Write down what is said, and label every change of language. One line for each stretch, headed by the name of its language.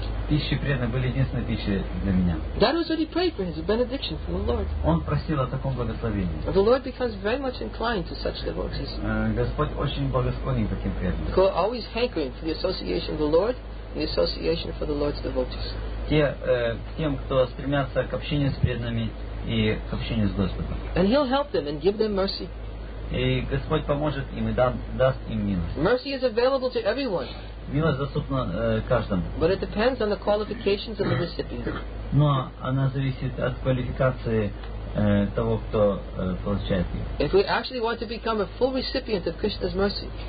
Russian: пищи преданных были единственной пищей для меня.
English: That was what he prayed for, his benediction from the Lord.
Russian: Он просил о таком благословении.
English: The Lord becomes very much inclined to such devotees.
Russian: Господь очень благосклонен к таким преданным.
English: He's always hankering for the association of the Lord, the association for the Lord's devotees.
Russian: Тем, кто стремятся к общению с преданными и к общению с Господом.
English: And he'll help them and give them mercy.
Russian: И Господь поможет им и даст им милость.
English: Mercy is available to everyone.
Russian: Милость доступна каждому.
English: But it depends on the qualifications of the recipient.
Russian: Но она зависит от квалификации того, кто получает ее.
English: If we actually want to become a full recipient of Krishna's mercy.